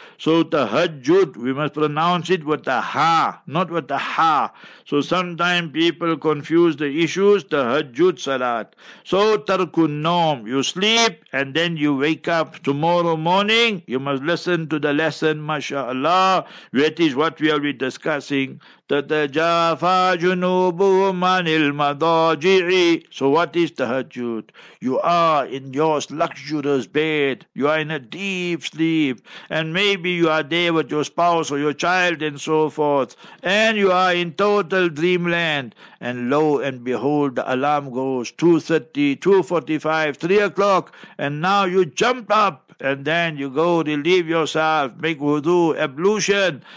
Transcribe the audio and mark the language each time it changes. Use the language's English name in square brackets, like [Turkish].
[English] So tahajjud, we must pronounce it with a ha, not with a ha. So sometimes people confuse the issues, tahajjud salat. So tarkun nawm, you sleep and then you wake up tomorrow morning, you must listen to the lesson, mashallah, that is what we are discussing. [Arabic] تَتَجَافَى جُنُوبُهُمْ عَنِ الْمَضَاجِعِ. [English] So what is tahajjud? You are in your luxurious bed, you are in a deep sleep, and maybe you are there with your spouse or your child and so forth, and you are in total dreamland, and lo and behold, the alarm goes 2:30, 2:45, 3 o'clock, and now you jump up, and then you go relieve yourself, make wudu, ablution,